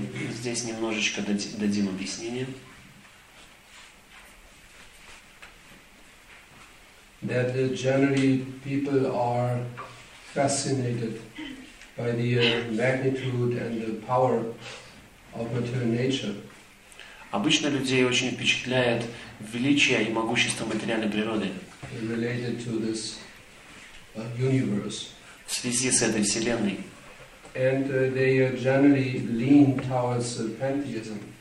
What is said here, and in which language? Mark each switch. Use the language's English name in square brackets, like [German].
[Russian] Здесь немножечко дадим объяснение. [English] That generally people are fascinated by the magnitude and the power of material nature. [Russian] Обычно людей очень впечатляет величие и могущество материальной природы [English] related to this universe. [Russian] В связи с этой вселенной. [English] And they generally lean towards pantheism.